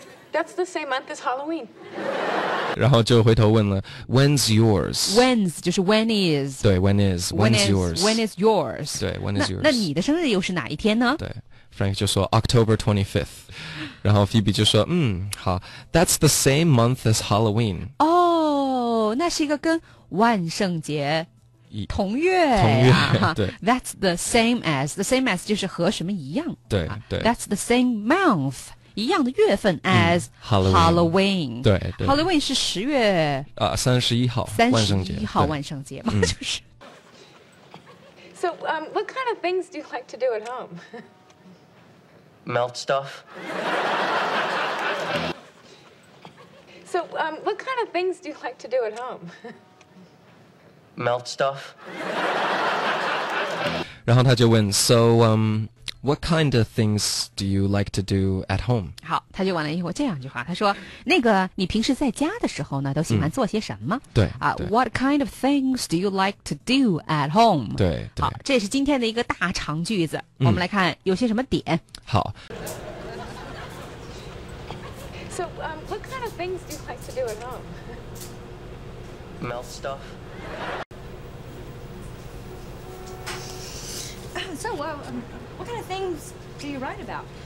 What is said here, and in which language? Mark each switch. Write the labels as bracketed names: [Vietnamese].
[English] That's the same month as Halloween. [Chinese] 然后就回头问了 [English] When's yours? When's [Chinese] 就是 [English] when is. 对 when is. When's yours? When is yours? 对 when is yours? [Chinese] 那你的生日又是哪一天呢对 Frank 就说 October 25th. 然后 [English] Phoebe [Chinese] 就说嗯好 [English] That's the same month as Halloween [Chinese] 哦、那是一个跟万圣节同月、啊、同月对 [English] That's the same as The same as [Chinese] 就是和什么一样对对、 [English] 啊、That's the same month [Chinese] 一样的月份 [English] as、嗯、Halloween [Chinese] 对对 Halloween 是十月啊三十一号万圣节万圣节嘛、嗯、就是 [English] So、what kind of things do you like to do at home? Melt stuff So、what kind of things do you like to do at home? Melt stuff [Chinese] 然后他就问 [English] So What kind of things do you like to do at home? [Chinese] 好，他就问了一会儿这样一句话，他说：“那个，你平时在家的时候呢，都喜欢做些什么？”嗯、对 [English] 啊、，What kind of things do you like to do at home? [Chinese] 对，对好，这也是今天的一个大长句子、嗯，我们来看有些什么点。好。 [English] So, what kind of things do you like to do at home? Melt stuff. So, what kind of things do you write about?